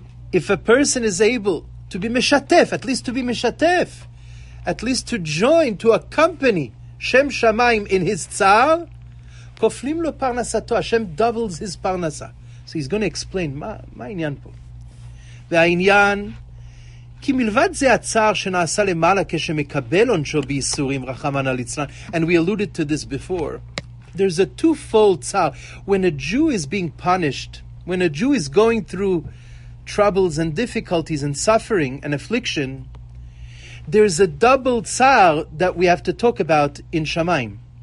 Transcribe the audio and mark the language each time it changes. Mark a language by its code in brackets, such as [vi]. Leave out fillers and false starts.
[en] If a person is able to be meshatef, at least to be meshatef, at least to join, to accompany shem shamayim in his tzar, [he] koflim lo parnasato. [en] Hashem doubles his parnasa. So he's going to explain [he] ma inyan po. והעניין, כי מלבד זה הצער שנעשה למעלה כשמקבל עונשו בייסורים, רחמן על יצלן. [en] And we alluded to this before. There's a two-fold צער. When a Jew is being punished, when a Jew is going through troubles and difficulties and suffering and affliction, there's a double צער that we have to talk about in Shamayim.